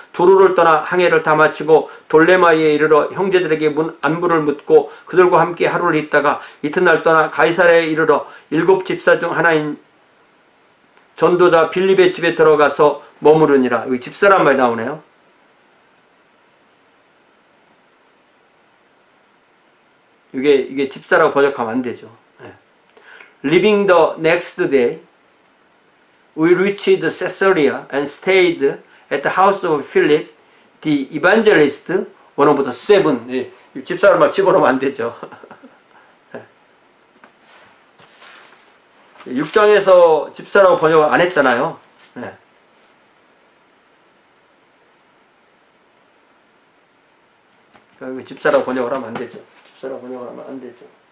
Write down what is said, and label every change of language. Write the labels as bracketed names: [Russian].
[Korean] 두루를 떠나 항해를 다 마치고 돌레마이에 이르러 형제들에게 안부를 묻고 그들과 함께 하루를 있다가 이튿날 떠나 가이사랴에 이르러 일곱 집사 중 하나인 전도자 빌립의 집에 들어가서 머무르니라. 여기 집사란 말이 나오네요. 이게 집사라고 번역하면 안 되죠. 네. [English] Living the next day, we reached Caesarea and stayed at the house of Philip, the evangelist, one of the seven. [Korean] 네. 집사란 말 집어넣으면 안 되죠. 6장에서 집사라고 번역을 안 했잖아요. 네. 그러니까 집사라고 번역을 하면 안 되죠. 집사라고 번역을 하면 안 되죠.